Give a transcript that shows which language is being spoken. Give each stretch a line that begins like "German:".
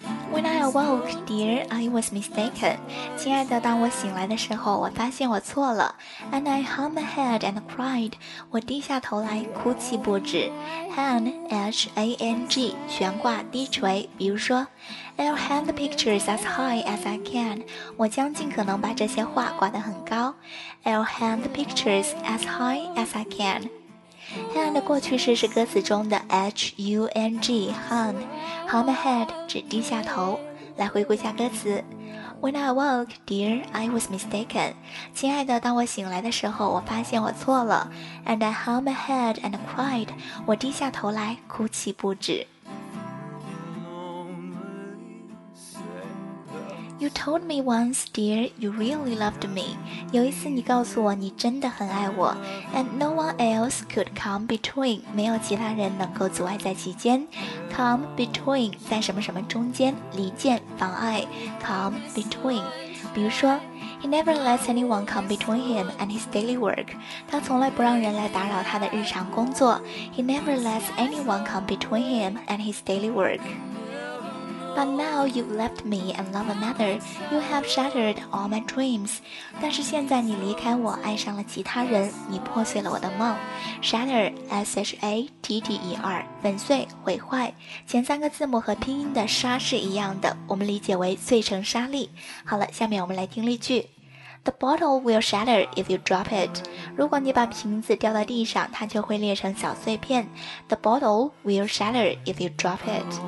English: When I awoke, dear, I was mistaken.
Chinese: 亲爱的，当我醒来的时候，我发现我错了。
English: And I hung my head and cried.
Chinese: 我低下头来，哭泣不止。 Hang, H-A-N-G, 悬挂、低垂。比如说
English: ，I'll hang the pictures as high as I can.
Chinese: 我将尽可能把这些画挂得很高。
English: I'll hang the pictures as high as I can.
Chinese: Hang 的过去式是歌词中的 H-U-N-G, hung.
English: Hung my head,
Chinese: 指低下头。来回顾一下歌词。
English: When I awoke, dear, I was mistaken.
Chinese: 亲爱的，当我醒来的时候，我发现我错了。
English: And I hung my head and cried.
Chinese: 我低下头来，哭泣不止。
English: You told me once, dear, you really loved me.
Chinese: 有一次你告诉我你真的很爱我。
English: And no one else could come between.
Chinese: 没有其他人能够阻碍在其间。
English: Come between,
Chinese: 在什么什么中间，离间，妨碍。
English: Come between.
Chinese: 比如说
English: ,He never lets anyone come between him and his daily work.
Chinese: 他从来不让人来打扰他的日常工作。
English: He never lets anyone come between him and his daily work. But now you've left me and love another, you have shattered all my dreams.
Chinese: 但是现在你离开我，爱上了其他人，你破碎了我的梦。 Shatter, S-H-A-T-T-E-R, 粉碎、毁坏。前三个字母和拼音的沙是一样的，我们理解为碎成沙粒。好了，下面我们来听例句。
English: The bottle will shatter if you drop it.
Chinese: 如果你把瓶子掉到地上，它就会裂成小碎片。
English: The bottle will shatter if you drop it.